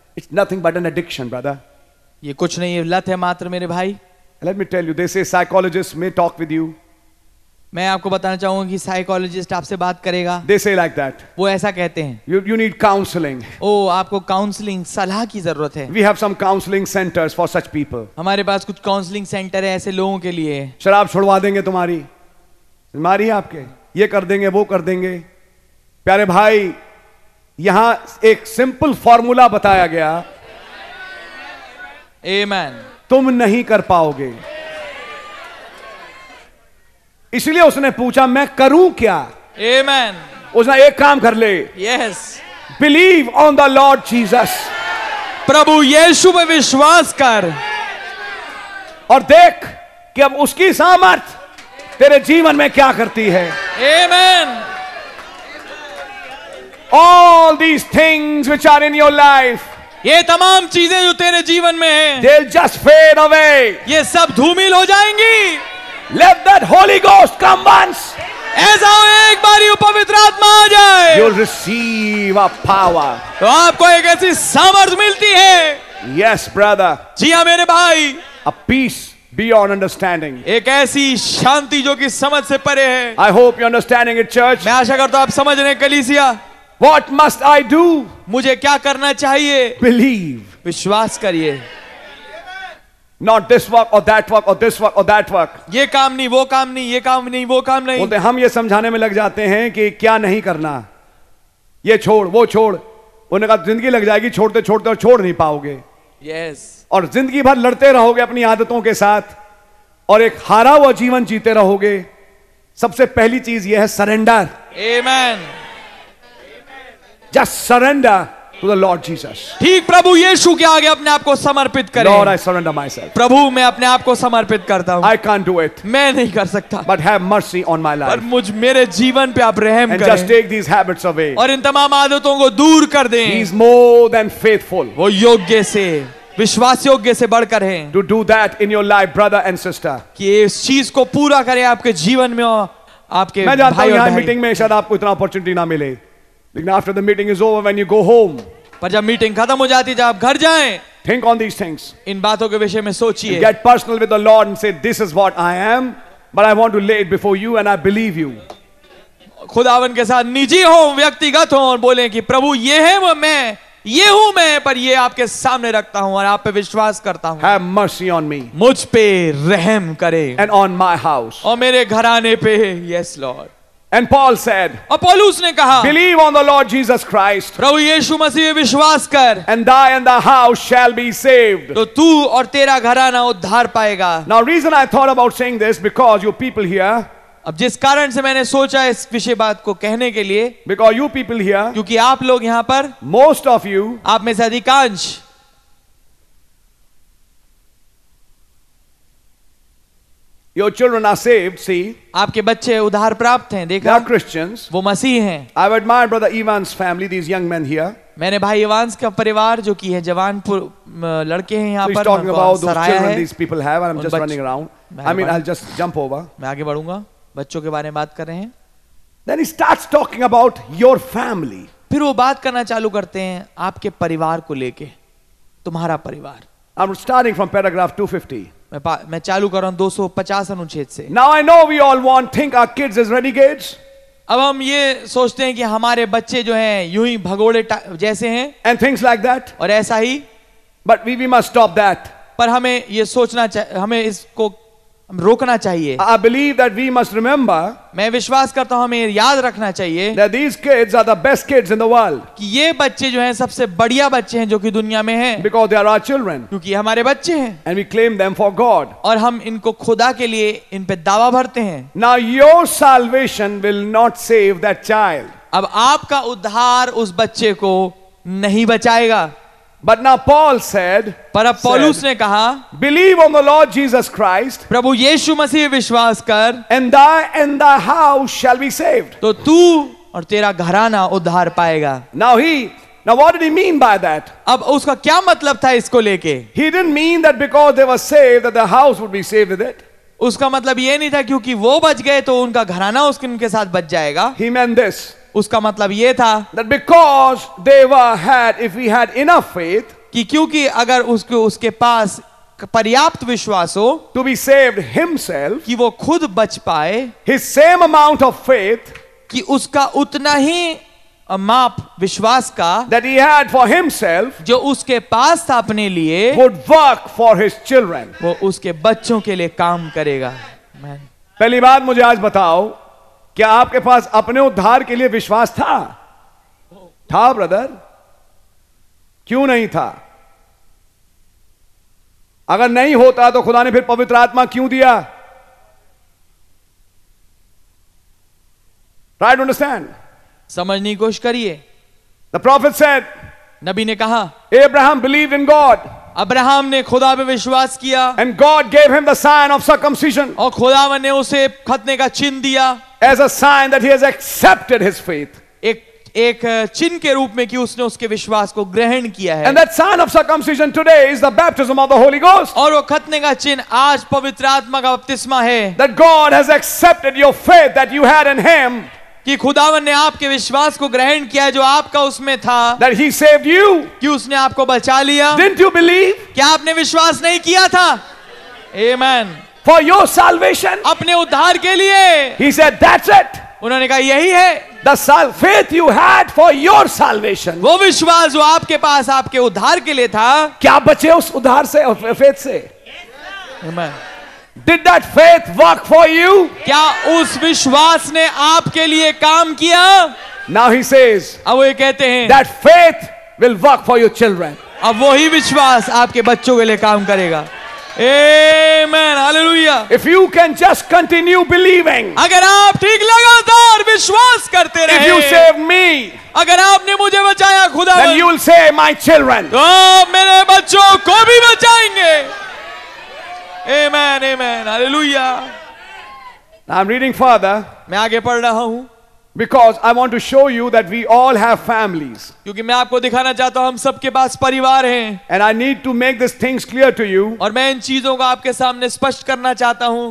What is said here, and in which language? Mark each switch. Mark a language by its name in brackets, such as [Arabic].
[English] It's nothing but an addiction brother. [Hindi] ये कुछ नहीं, लत है मात्र मेरे भाई. [English] Let me tell you, they say psychologist may talk with you. [Hindi] मैं आपको बताना चाहूंगा कि साइकोलॉजिस्ट आपसे बात करेगा. [English] They say like that. [Hindi] वो ऐसा कहते हैं. [English] You need counseling. [Hindi] ओ, आपको काउंसलिंग सलाह की जरूरत है. [English] We have some counseling centers for such people. [Hindi] हमारे पास कुछ काउंसलिंग सेंटर है ऐसे लोगों के लिए. शराब छुड़वा देंगे तुम्हारी, मारी आपके, ये कर देंगे वो कर देंगे. प्यारे भाई, यहां एक सिंपल फॉर्मूला बताया गया. Amen. तुम नहीं कर पाओगे. इसलिए उसने पूछा मैं करूं क्या. Amen. उसने एक काम कर ले. [English] Yes. Believe on the Lord Jesus. [Hindi] प्रभु यीशु पर विश्वास कर. और देख कि अब उसकी सामर्थ तेरे जीवन में क्या करती है. Amen. [English] All these things which are in your life. [Hindi] ये तमाम चीजें जो तेरे जीवन में है. [English] They'll just fade away. [Hindi] ये सब धूमिल हो जाएंगी. [English] Let that Holy Ghost come once. [Hindi] ऐसा हो एक बारी पवित्र आत्मा आ जाए. [English] You'll receive a power. [Hindi] तो आपको एक ऐसी सामर्थ मिलती है. [English] Yes, brother. [Hindi] जी हाँ मेरे भाई. [English] A peace beyond understanding. [Hindi] एक ऐसी शांति जो कि समझ से परे है. [English] I hope you're understanding it, church. [Hindi] मैं आशा करता हूँ आप समझ रहे हैं कलीसिया. [English] What must I do? [Hindi] मुझे क्या करना चाहिए? [English] Believe. [Hindi] विश्वास करिए. [English] Not this work or that work or this work or that work. [Hindi] ये काम नहीं, वो काम नहीं, ये काम नहीं, वो काम नहीं. बोलते हम ये समझाने में लग जाते हैं कि क्या नहीं करना. ये छोड़, वो छोड़, उन्हें कहा जिंदगी लग जाएगी छोड़ते छोड़ते और छोड़ नहीं पाओगे. [English] Yes. [Hindi] और जिंदगी भर लड़ते रहोगे अपनी आदतों के साथ और एक हारा हुआ जीवन जीते रहोगे. सबसे पहली चीज यह है surrender. Amen. [English] Just surrender to the Lord Jesus. [Hindi] ठीक, प्रभु यीशु के आगे अपने आप को समर्पित करें. [English] Lord, I surrender myself. [Hindi] प्रभु मैं अपने आप को समर्पित करता हूँ. [English] I can't do it. [Hindi] मैं नहीं कर सकता. [English] But have mercy on my life. [Hindi] पर मुझ मेरे जीवन पे आप रहम करें. [English] And just take these habits away. [Hindi] और इन तमाम आदतों को दूर कर दें. [English] He's more than faithful. [Hindi] वो योग्य से, विश्वास योग्य से बढ़कर हैं. [English] To do that in your life, brother and sister. [Hindi] कि इस चीज को पूरा करें आपके जीवन में और आपके भाई और बहनों. मैं जानता हूँ यहाँ मीटिंग में शायद आपको इतना अपॉर्चुनिटी ना मिले. [English] After the meeting is over, when you go home, [Hindi] पर जब मीटिंग खत्म हो जाती है, जब आप घर जाएं, [English] think on these things. [Hindi] इन बातों के विषय में सोचिए. [English] Get personal with the Lord and say, "This is what I am, but I want to lay it before you, and I believe you." [Hindi] खुदावन के साथ निजी हो, व्यक्तिगत हो और बोलें कि प्रभु ये है वो मैं, ये हूँ मैं, पर ये आपके सामने रखता हूँ और आप पे विश्वास करता हूँ. [English] Have mercy on me. [Hindi] मुझ पे रहम करे. [English] And on my house. [Hindi] और मेरे घराने पे. [English] Yes, Lord. And Paul said, [Hindi] Paulus ne kaha, [English] believe on the Lord Jesus Christ. [Hindi] Prabhu Yeshu Masih pe vishwas kar. [English] And thy and the house shall be saved. [Hindi] To tu aur tera gharana udhar payega. [English] Now reason I thought about saying this because you people here. [Hindi] Ab jis karan se maine socha is vishay baat ko kehne ke liye. [English] Because you people here. [Hindi] Kyunki aap log yahan par. [English] Most of you. [Hindi] Aap mein se adhikansh. [English] Your children are saved, see. [Hindi] आपके बच्चे उधार प्राप्त हैं, देखा? [English] They are Christians. [Hindi] वो मसीह हैं. [English] I've admired brother Ivan's family, these young men here. [Hindi] मैंने भाई इवांस का परिवार जो कि है जवान लड़के हैं यहाँ पर. [English] He's talking about those children these people have, and I'm just running around. I mean, I'll just jump over. [Hindi] मैं आगे बढ़ूंगा. बच्चों के बारे में बात कर रहे हैं. [English] Then he starts talking about your family. [Hindi] फिर वो बात करना चालू करते हैं आपके परिवार को लेके, तुम्हारा परिवार. [English] I'm starting from paragraph 250. [Hindi] मैं चालू कर रहा हूं 250 अनुच्छेद से. [English] Now I know we all want think our kids is renegades. [Hindi] अब हम ये सोचते हैं कि हमारे बच्चे जो हैं यूं ही भगोड़े जैसे हैं. [English] And things like that. [Hindi] और ऐसा ही. [English] But we must stop that. [Hindi] पर हमें ये सोचना, हमें इसको रोकना चाहिए. [English] I believe that we must remember. [Hindi] मैं विश्वास करता हूं हमें याद रखना चाहिए. [English] That these kids are the best kids in the world. [Hindi] कि ये बच्चे जो हैं सबसे बढ़िया बच्चे हैं जो कि दुनिया में हैं. [English] Because they are our children. [Hindi] क्योंकि हमारे बच्चे हैं. [English] And we claim them for God. [Hindi] और हम इनको खुदा के लिए इन पे दावा भरते हैं. [English] Now your salvation will not save that child. [Hindi] अब आपका उद्धार उस बच्चे को नहीं बचाएगा. [English] But now Paul said, [Hindi] पर अब पौलुस ने कहा, [English] believe on the Lord Jesus Christ, [Hindi] प्रभु यीशु मसीह विश्वास कर, [English] and thy house shall be saved. [Hindi] तो तू और तेरा घराना उद्धार पाएगा. [English] Now what did he mean by that? [Hindi] अब उसका क्या मतलब था इसको लेके? [English] He didn't mean that because they were saved that the house would be saved with it. [Hindi] उसका मतलब ये नहीं था क्योंकि वो बच गए तो उनका घराना उसके साथ बच जाएगा. [English] He meant this. [Hindi] उसका मतलब ये था [English] that because they were had, if we had enough faith, [Hindi] कि क्योंकि अगर उसके उसके पास पर्याप्त विश्वास हो [English] to be saved himself, [Hindi] कि वो खुद बच पाए, [English] his same amount of faith, [Hindi] कि उसका उतना ही माप विश्वास का, [English] that he had for himself, [Hindi] जो उसके पास था अपने लिए, [English] would work for his children, [Hindi] वो उसके बच्चों के लिए काम करेगा. [English] Man. [Hindi] पहली बात मुझे आज बताओ, क्या आपके पास अपने उद्धार के लिए विश्वास था? था ब्रदर? क्यों नहीं था? अगर नहीं होता तो खुदा ने फिर पवित्र आत्मा क्यों दिया? [English] Right, understand? [Hindi] समझने की कोशिश करिए. [English] The prophet said, [Hindi] नबी ने कहा, [English] Abraham believed in God. [Hindi] Abraham ने खुदा पे विश्वास किया. [English] And God gave him the sign of circumcision. [Hindi] और खुदावन ने उसे खतने का चिन्ह दिया. [English] As a sign that he has accepted his faith. [Hindi] एक चिन्ह के रूप में कि उसने उसके विश्वास को ग्रहण किया है. [English] And that sign of circumcision today is the baptism of the Holy Ghost. [Hindi] और वो खतने का चिन्ह आज पवित्र आत्मा का बपतिस्मा है. [English] That God has accepted your faith that you had in him. [Hindi] कि खुदावन ने आपके विश्वास को ग्रहण किया जो आपका उसमें था. [English] That he saved you. [Hindi] कि उसने आपको बचा लिया. [English] Didn't you believe? [Hindi] क्या आपने विश्वास नहीं किया था? Amen. [English] For your salvation. [Hindi] अपने उद्धार के लिए. [English] He said that's it. [Hindi] उन्होंने कहा यही है. [English] The faith you had for your salvation. [Hindi] वो विश्वास जो आपके पास आपके उद्धार के लिए था. क्या बचे उस उद्धार से faith से? Amen. [English] Did that faith work for you? [Hindi] क्या उस विश्वास ने आपके लिए काम किया? [English] Now he says. [Hindi] अब वो ये कहते हैं. [English] That faith will work for your children. [Hindi] अब वही विश्वास आपके बच्चों के लिए काम करेगा. Amen. Hallelujah. [English] If you can just continue believing. [Hindi] अगर आप ठीक लगातार विश्वास करते रहे. [English] If you save me. [Hindi] अगर आपने मुझे बचाया खुदा. [English] Then you will save my children. [Hindi] तो मेरे बच्चों को भी बचाएंगे. Amen, amen, hallelujah. [English] I'm reading further. [Hindi] मैं आगे पढ़ रहा हूँ. [English] Because I want to show you that we all have families. [Hindi] क्योंकि मैं आपको दिखाना चाहता हूँ हम सब के पास परिवार हैं. [English] And I need to make these things clear to you. [Hindi] और मैं इन चीजों को आपके सामने स्पष्ट करना चाहता हूँ.